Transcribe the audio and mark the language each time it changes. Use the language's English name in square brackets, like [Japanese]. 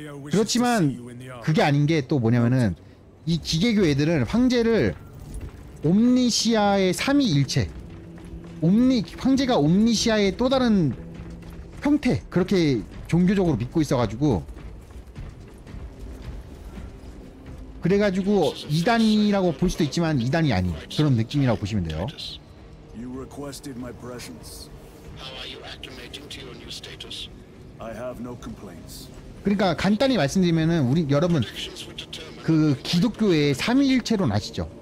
[Korean] 그렇지만 그게 아닌 게 또 뭐냐면은, 이 기계교 애들은 황제를 옴니시아의 삼위일체, 황제가 옴니시아의 또 다른 형태, 그렇게 종교적으로 믿고 있어가지고, 그래가지고 이단이라고 볼 수도 있지만 이단이 아닌 그런 느낌이라고 보시면 돼요. [English] You requested my presence. How are you acclimating to your new status? I have no complaints. [Korean] 그러니까 간단히 말씀드리면은, 우리 여러분 그 기독교의 삼위일체론 아시죠?